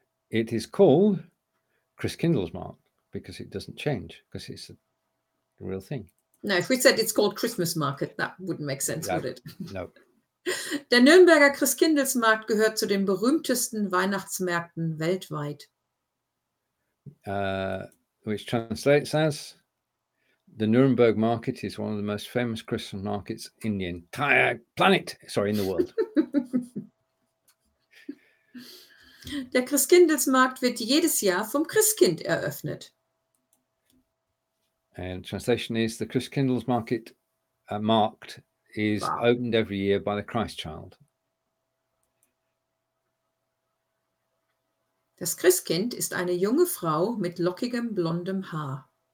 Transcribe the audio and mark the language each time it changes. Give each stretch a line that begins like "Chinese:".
English: It is called Christkindlesmarkt because it doesn't change, because it's a real thing. No, if we said it's called Christmas market, that wouldn't make sense, would it? No.
German: Der Nürnberger Christkindlesmarkt gehört zu den berühmtesten Weihnachtsmärkten weltweit.
English: Which translates as, the Nürnberg market is one of the most famous Christmas markets in the entire planet, sorry, in the world.
German: Der Christkindlesmarkt wird jedes Jahr vom Christkind eröffnet.
English: And translation is, the Christkindlesmarkt marked is opened every year by the Christ child.
German: Das Christkind ist eine junge Frau mit lockigem blondem Haar.